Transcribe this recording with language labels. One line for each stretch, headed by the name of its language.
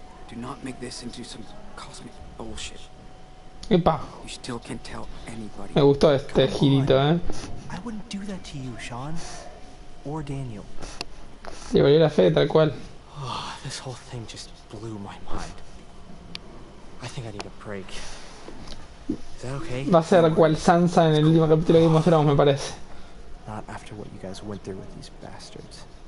English: Do not make this into some cosmic bullshit. Epa. You still can't tell anybody.
Spanish: Me gustó este girito,
English: I wouldn't do that to you, Sean. Or Daniel.
Spanish: Le valió la fe, tal cual.
English: Oh, this whole thing just blew my mind. I think I need a break. Is that okay?
Spanish: Va a ser cual Sansa en el último capítulo que mostramos, me parece.
English: Not after what you guys went through with these bastards.